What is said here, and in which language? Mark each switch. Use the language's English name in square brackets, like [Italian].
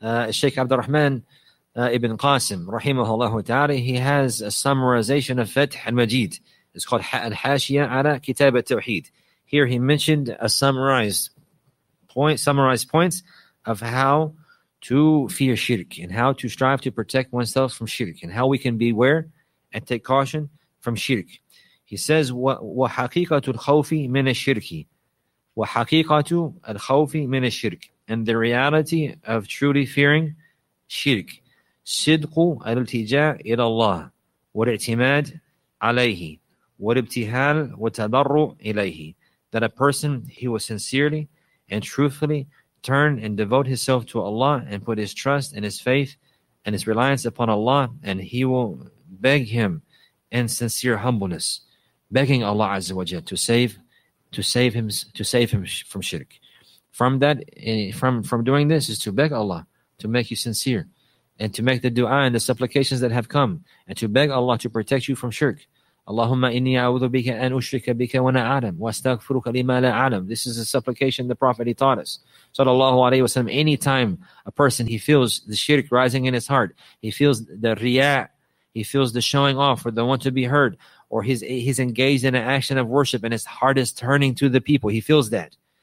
[English] Sheikh Abdul Rahman ibn Qasim, rahimahullah ta'ala, he has a summarization of Fath al-Majid. It's called Al-Hashiya ala Kitab al-Tawheed. Here he mentioned a summarized points of how to fear shirk and how to strive to protect oneself from shirk and how we can beware and take caution from shirk. He says, [Arabic] وَحَقِيقَةُ الْخَوْفِ مِنَ الشِّرْكِ وَحَقِيقَةُ الْخَوْفِ مِنَ الشِّرْكِ. [English] And the reality of truly fearing shirk, [Arabic] صِدْقُ الْتِجَاءِ إِلَى اللَّهِ وَالْإِعْتِمَادِ عَلَيْهِ وَالْإِبْتِهَالِ وَالتَّضَرُّعِ إِلَيْهِ. [English] That a person, he will sincerely and truthfully turn and devote himself to Allah and put his trust and his faith and his reliance upon Allah, and he will beg him in sincere humbleness, begging Allah Azza wa Jalla to save him from shirk. From that, from doing this is to beg Allah to make you sincere and to make the dua and the supplications that have come, and to beg Allah to protect you from shirk. [Arabic] اللهم إني أعوذ بك أن أشرك بك وأنا أعلم وأستغفرك لما لا أعلم. [English] This is a supplication the Prophet he taught us. Sallallahu alayhi wa sallam. Anytime a person, he feels the shirk rising in his heart, he feels the riyah, he feels the showing off or the want to be heard, or he's engaged in an action of worship and his heart is turning to the people, he feels that.